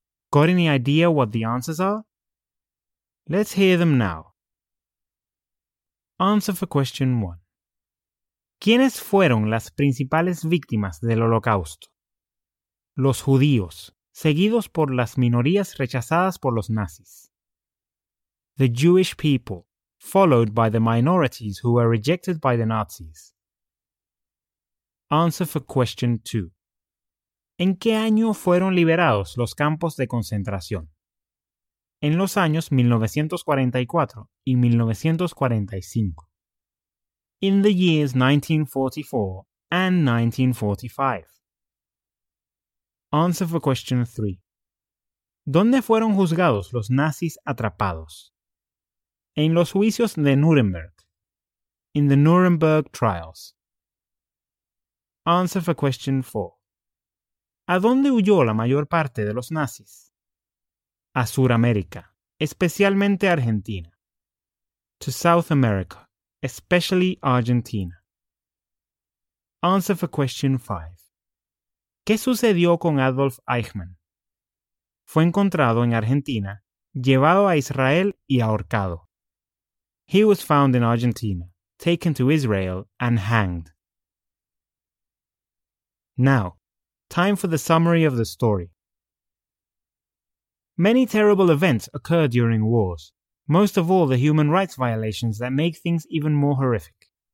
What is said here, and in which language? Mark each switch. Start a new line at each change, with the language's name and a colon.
English: Got any idea what the answers are? Let's hear them now. Answer for question 1.
Spanish: ¿Quiénes fueron las principales víctimas del Holocausto? Los judíos, seguidos por las minorías rechazadas por los nazis.
English: The Jewish people, followed by the minorities who were rejected by the Nazis. Answer for question 2.
Spanish: ¿En qué año fueron liberados los campos de concentración? En los años 1944 y 1945.
English: In the years 1944 and 1945. Answer for question 3.
Spanish: ¿Dónde fueron juzgados los nazis atrapados? En los juicios de Nuremberg.
English: In the Nuremberg trials. Answer for question 4.
Spanish: ¿A dónde huyó la mayor parte de los nazis? A Sudamérica. Especialmente Argentina.
English: To South America, especially Argentina. Answer for question 5.
Spanish: ¿Qué sucedió con Adolf Eichmann? Fue encontrado en Argentina, llevado a Israel y ahorcado.
English: He was found in Argentina, taken to Israel and hanged. Now, time for the summary of the story. Many terrible events occur during wars, most of all the human rights violations that make things even more horrific.